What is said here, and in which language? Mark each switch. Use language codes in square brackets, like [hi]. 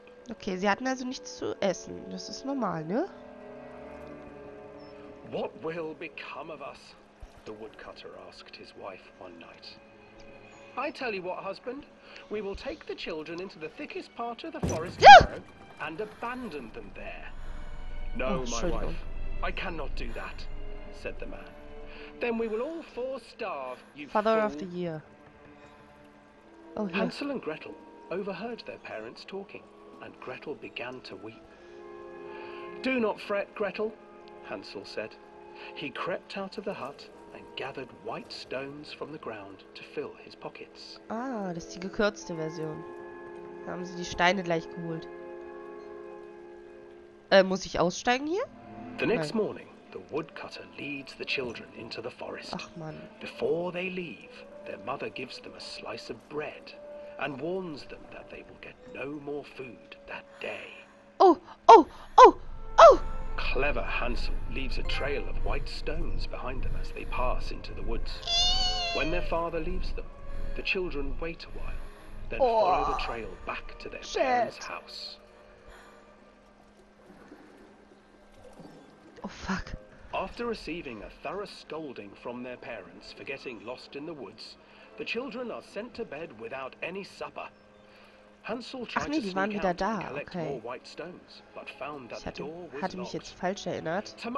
[de] Okay, sie hatten also nichts zu essen, das ist normal, ne? [en] What will become of us? The woodcutter asked his wife one night. I tell you what, husband, we will take the children into the thickest part of the forest and abandon them there. No, my wife, I cannot do that, said the man. Then we will all four starve, you fool. Father of the year. Oh, yeah. Hansel and Gretel overheard their parents talking, and Gretel began to weep. Do not fret, Gretel, Hansel said. He crept out of the hut. And gathered white stones from the ground to fill his pockets. [de] Ah, das ist die gekürzte Version. Da haben sie die Steine gleich geholt. Muss ich aussteigen hier? [en] The next morning, the woodcutter leads the children into the forest. [de] Ach man. [en] Before they leave, their mother gives them a slice of bread and warns them that they will get no more food that day. Oh, oh, oh, oh! Clever Hansel leaves a trail of white stones behind them as they pass into the woods. When their father leaves them, the children wait a while, then follow the trail back to their parents' house. Oh, fuck. After receiving a thorough scolding from their parents for getting lost in the woods, the children are sent to bed without any supper. Hansel tried [de] Ach nee, die waren wieder da. Okay. [en] Stones, [de] ich hatte mich jetzt falsch erinnert.